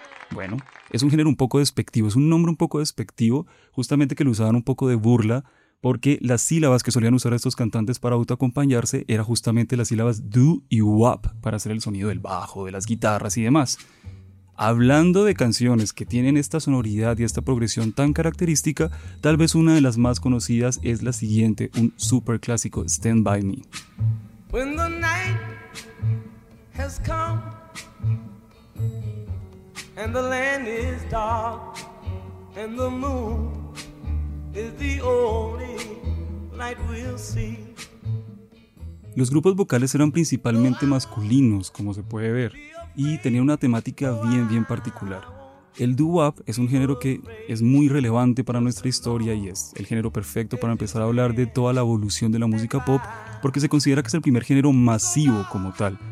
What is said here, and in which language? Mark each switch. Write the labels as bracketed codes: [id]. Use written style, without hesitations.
[es] Bueno, es un género un poco despectivo, es un nombre un poco despectivo, justamente que lo usaban un poco de burla, porque las sílabas que solían usar estos cantantes para autoacompañarse era justamente las sílabas do y wop, para hacer el sonido del bajo, de las guitarras y demás. Hablando de canciones que tienen esta sonoridad y esta progresión tan característica, tal vez una de las más conocidas es la siguiente, un super clásico, Stand By Me. [en] When the night has come and the land is dark and the moon is the only light. night we'll see. [es] Los grupos vocales eran principalmente masculinos, como se puede ver, y tenían una temática bien, bien particular. El doo-wop es un género que es muy relevante para nuestra historia y es el género perfecto para empezar a hablar de toda la evolución de la música pop, porque se considera que es el primer género masivo como tal.